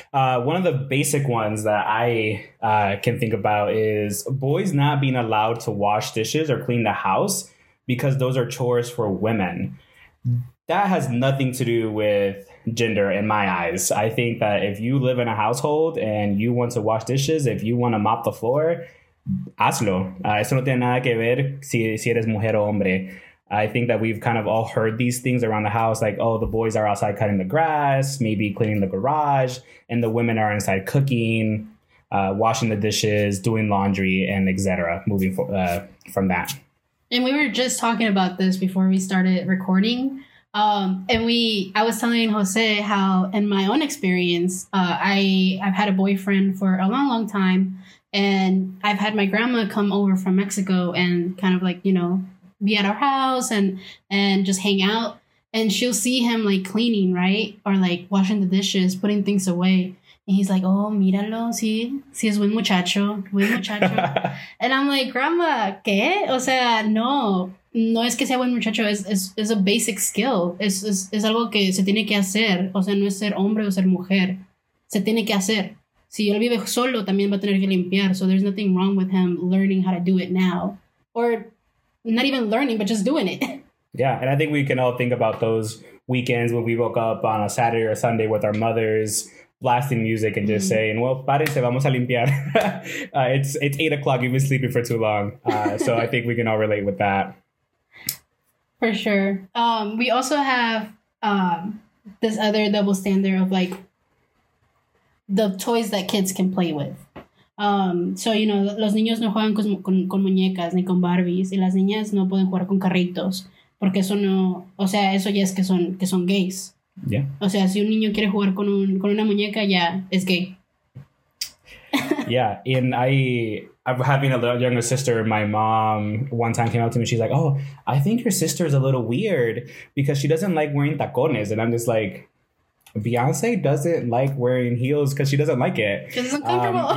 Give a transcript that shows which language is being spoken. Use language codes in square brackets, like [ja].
[en] One of the basic ones that I can think about is boys not being allowed to wash dishes or clean the house because those are chores for women. That has nothing to do with gender in my eyes. I think that if you live in a household and you want to wash dishes, if you want to mop the floor, [es] hazlo. Eso no tiene nada que ver si eres mujer o hombre. [en] I think that we've kind of all heard these things around the house, like, oh, the boys are outside cutting the grass, maybe cleaning the garage, and the women are inside cooking, washing the dishes, doing laundry, and et cetera, moving from that. And we were just talking about this before we started recording. I was telling Jose how in my own experience, I've had a boyfriend for a long, long time. And I've had my grandma come over from Mexico and kind of like, you know, be at our house and just hang out. And she'll see him like cleaning, right? Or like washing the dishes, putting things away. And he's like, oh, [es] míralo, sí, sí es buen muchacho. [en] And I'm like, grandma, [es] ¿qué? O sea, no. No es que sea buen muchacho, es [en] a basic skill. [es] Es algo que se tiene que hacer. O sea, no es ser hombre o ser mujer. Se tiene que hacer. Si él vive solo, también va a tener que limpiar. [en] So there's nothing wrong with him learning how to do it now. Or not even learning, but just doing it. Yeah, and I think we can all think about those weekends when we woke up on a Saturday or Sunday with our mothers blasting music and just saying, well, [es] párense, vamos a limpiar. [en] it's 8 o'clock, you've been sleeping for too long. So I think we can all relate with that. For sure. We also have this other double standard of like the toys that kids can play with. So, you know, [es] los niños no juegan con muñecas ni con Barbies, y las niñas no pueden jugar con carritos porque eso no, o sea, eso ya es que son gays. [en] Yeah. [es] O sea, si un niño quiere jugar con una muñeca, ya es gay. [en] Yeah, and I'm having a little younger sister. My mom one time came up to me. She's like, oh, I think your sister is a little weird because she doesn't like wearing tacones. And I'm just like, Beyonce doesn't like wearing heels because she doesn't like it. It's uncomfortable.